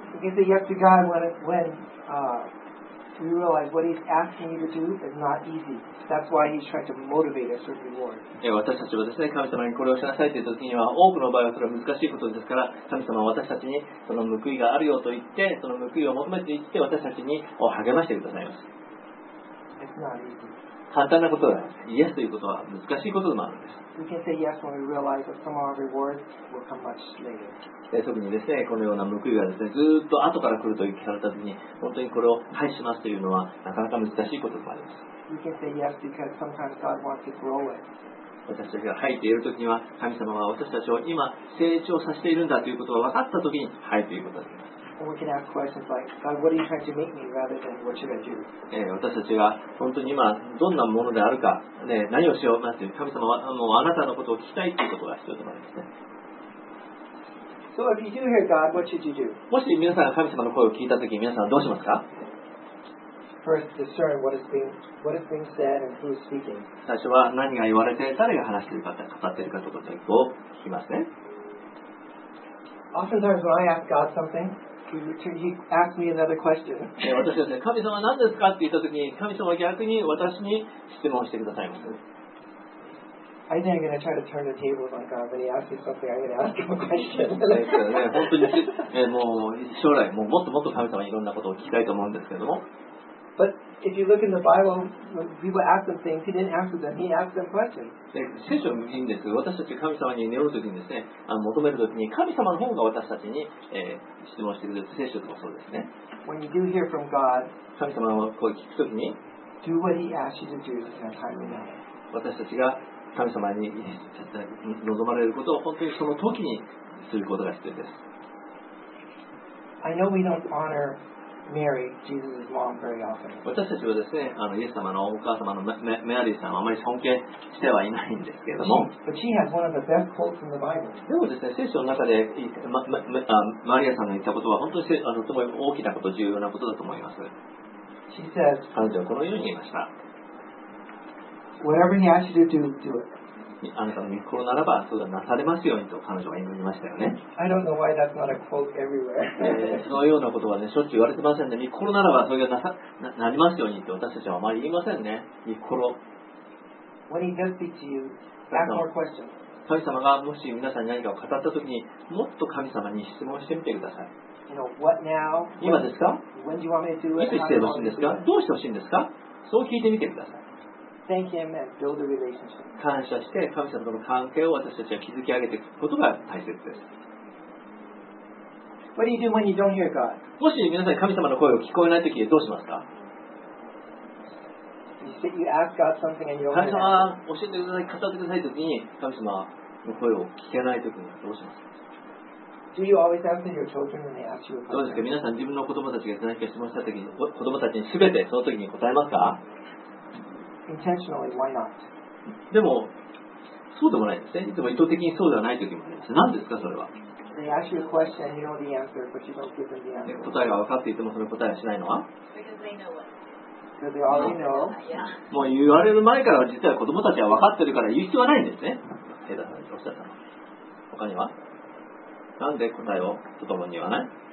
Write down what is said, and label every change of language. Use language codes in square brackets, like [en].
[en] We can say yes to God when we realize what He's asking you to do is not easy. That's why He's trying to motivate us with reward. [ja] 私たちはですね、神様にこれをしなさいという時には、多くの場合はそれは難しいことですから、神様は私たちにその報いがあるよと言って、その報いを求めていって、私たちに励ましてくださいます。簡単なことではないです。イエスということは難しいことでもあるんです。 [en] We can say yes when we realize that tomorrow's reward will come much later. [ja] 特にですね、このような報いがですね、ずっと後から来ると聞かれたときに、本当にこれをはいしますというのはなかなか難しいことでもあります。 [en] We can say yes because sometimes God wants to grow it. [ja] 私たちが入っているときには神様は私たちを今成長させているんだということが分かったときに入るということです。私たちが本当に今どんなものであるか、ね、何をしようかという神様はもうあなたのことを聞きたいということが必要と思いますね。 [en] So if you do hear God, what should you do? [ja] もし皆さんが神様の声を聞いたとき皆さんはどうしますか？ [en] First, discern what is being said and who is speaking. [ja] 最初は何が言われて誰が話しているか語っているかということを聞きますね。 [en] Oftentimes when I ask God something, he asks me another question. [ja] 私はですね、神様は何ですかって言ったときに、神様は逆に私に質問してくださいます。 [en] I think I'm going to try to turn the tables on God when he asks me something. I'm going to ask him a question. [ja] 本当に、もう将来、もっともっと神様にいろんなことを聞きたいと思うんですけども。 [en] But if you look in the Bible, when people ask them things, he didn't answer them. He asked them questions. [ja] 聖書もいいんです。私たち神様に祈るときにですね、求めるときに神様の方が私たちに、質問してくれる聖書とかそうですね。 [en] When you do hear from God, [ja] 神様の声を聞くときに、 [en] do what he asks you to do in a timely manner. [ja] 私たちが神様に望まれることを本当にその時にすることが必要です。 [en] I know we don't honor Mary, Jesus' mom, very often. [ja] 私たちはですね、イエス様のお母様のメアリーさんをあまり尊敬してはいないんですけれども。 [en] But she has one of the best quotes from the Bible. [ja] でもですね、聖書の中でマリアさんの言ったことは本当にとても大きなこと、重要なことだと思います。 [en] She says, [ja] 彼女はこのように言いました。 [en] Whatever he asks you to do, do it. [ja] あなたの御心ならば、そうだなされますようにと彼女は言いましたよね。 [en] I don't know why that's not a quote everywhere. [ja] そのようなことはね、しょっちゅう言われてませんね。御心ならば、それが なりますようにって私たちはあまり言いませんね。御心。 [en] When he does speak to you, ask more questions. [ja] 神様がもし皆さんに何かを語ったときに、もっと神様に質問してみてください。 [en] You know, what now? [ja] 今ですか [en] When do you want me to do it? [ja] いつしてほしいんですか、どうしてほしいんですか、そう聞いてみてください。 [en] Thank him and build a relationship. [ja] 感謝して神様との関係を私たちは築き上げていくことが大切です。 [en] What do you do when you don't hear God? [ja] もし皆さん神様の声を聞こえないときどうしますか。神様教えてください、語ってくださいときに神様の声を聞けないときにどうしますか。 [en] Do you always answer your children when they ask you a question? [ja] どうですか、皆さん自分の子供たちが何か質問したときに子供たちに全てそのときに答えますか。 [en] Intentionally, why not? [ja] でもそうでもないですね、いつも意図的にそうではないときもあります。何ですかそれは。 [en] They ask you a question and you know the answer, but you don't give them the answer. [ja] 答えが分かっていてもその答えはしないのは。 [en] Because they already know. [ja] もう言われる前から実は子供たちは分かってるから言う必要はないんですね。ヘイダさんおっしゃったの。他にはなんで答えをとともに言わない。